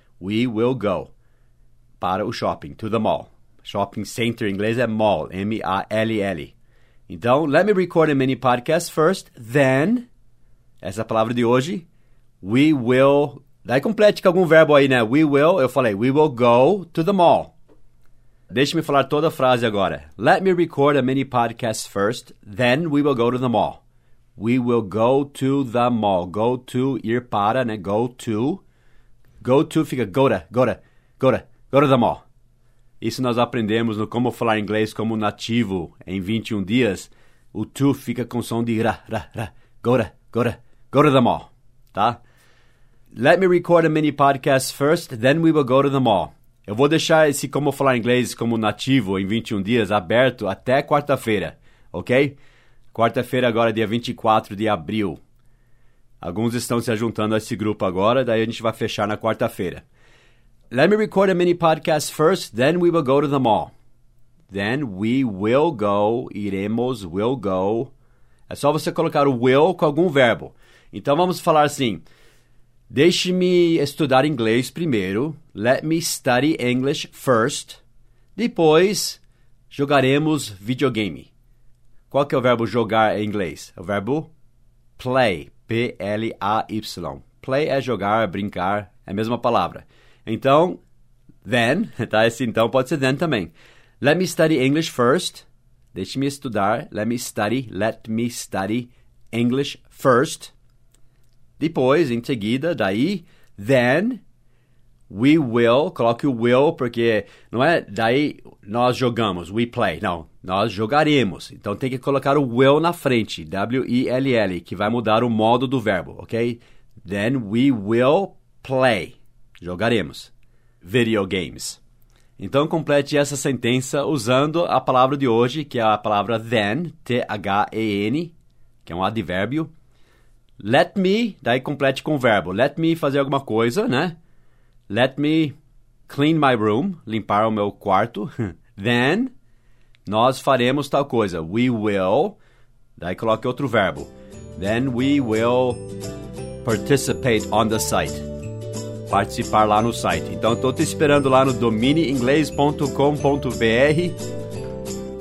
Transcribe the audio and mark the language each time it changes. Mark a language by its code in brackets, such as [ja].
[en] We will go [pt] para o shopping, [en] to the mall. [pt] Shopping center em inglês é mall, M-A-L-L. Então, [en] let me record a mini podcast first, then, [pt] essa palavra de hoje, [en] we will, [pt] daí complete com algum verbo aí, né? [en] We will, [pt] eu falei, [en] we will go to the mall. [pt] Deixe-me falar toda a frase agora. [en] Let me record a mini podcast first, then we will go to the mall. We will go to the mall. Go to, [pt] ir para, né? [en] Go to. Go to [pt] fica [en] go to the mall. [pt] Isso nós aprendemos no Como Falar Inglês Como Nativo em 21 dias. O to fica com som de ra. [en] Go to the mall, [pt] tá? [en] Let me record a mini podcast first, then we will go to the mall. [pt] Eu vou deixar esse Como Falar Inglês Como Nativo em 21 dias aberto até quarta-feira, ok? Quarta-feira agora, dia 24 de abril. Alguns estão se juntando a esse grupo agora, daí a gente vai fechar na quarta-feira. [en] Let me record a mini podcast first, then we will go to the mall. Then we will go, [pt] iremos, [en] will go. [pt] É só você colocar o will com algum verbo. Então vamos falar assim... Deixe-me estudar inglês primeiro. [en] Let me study English first. [pt] Depois, jogaremos videogame. Qual que é o verbo jogar em inglês? O verbo play, P-L-A-Y. Play é jogar, brincar, é a mesma palavra. Então, then, tá? Esse então pode ser then também. [en] Let me study English first. [pt] Deixe-me estudar. [en] Let me study English first. [pt] Depois, em seguida, daí, [en] then, we will. [pt] Coloque o will, porque não é daí nós jogamos, [en] we play. [pt] Não, nós jogaremos. Então, tem que colocar o will na frente, W-E-L-L, que vai mudar o modo do verbo, ok? [en] Then, we will play. [pt] Jogaremos. Video games. Então, complete essa sentença usando a palavra de hoje, que é a palavra then, T-H-E-N, que é um advérbio. [en] Let me, [pt] daí complete com o verbo. Let me fazer alguma coisa, né? [en] Let me clean my room, [pt] limpar o meu quarto. Then, nós faremos tal coisa. [en] We will, [pt] daí coloque outro verbo. [en] Then we will participate on the site. [pt] Participar lá no site. Então, estou te esperando lá no domineinglês.com.br.